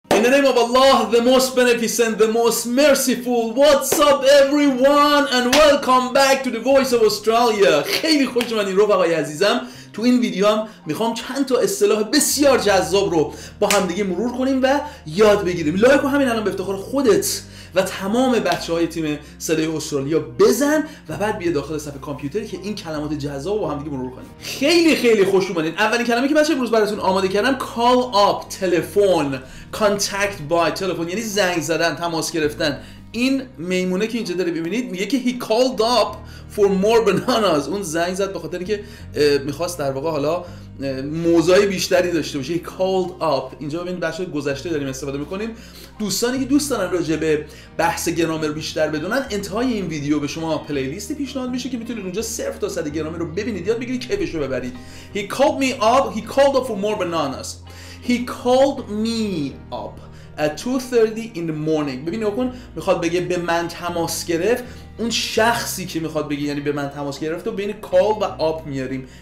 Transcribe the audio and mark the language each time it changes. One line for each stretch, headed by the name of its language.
English: the name of Allah, the most beneficent, the most merciful. What's up everyone and welcome back to the Voice of Australia.
Persian: خیلی خوش اومدین رفقای عزیزم. تو این ویدیو هم میخوام چند تا اصطلاح بسیار جذاب رو با همدیگه مرور کنیم و یاد بگیریم. لایک رو همین الان به افتخار خودت و تمام بچه های تیم صدای استرالیا بزن و بعد بیا داخل صفحه کامپیوتر که این کلمات جذاب رو با همدیگه مرور کنیم. خیلی خیلی خوش اومدین. اولین کلمه که بچه امروز براتون آماده کردم call up، تلفن، contact by، تلفن یعنی زنگ زدن، تماس گرفتن. این میمونه که اینجا داره ببینید میگه که
English: he called up for more bananas،
Persian: اون زنگ زد به خاطر اینکه میخواست در واقع حالا موضوعی بیشتری داشته باشه.
English: he called up.
Persian: اینجا ببینید بچه گذشته داریم استفاده میکنیم. دوستانی که دوست دارن راجع به بحث گرامر بیشتر بدونن، انتهای این ویدیو به شما پلیلیستی پیشنهاد میشه که میتونید اونجا صرف تا صد گرامر رو ببینید، یاد بگیرید، کیفش رو ببرید.
English: he called me up، he called up for more bananas. he called me up at 2:30 in the morning.
Persian: ببینید اون میخواد بگه به من تماس گرفت، اون شخصی که میخواد بگه یعنی به من تماس گرفت و بین کال و آپ میاریم.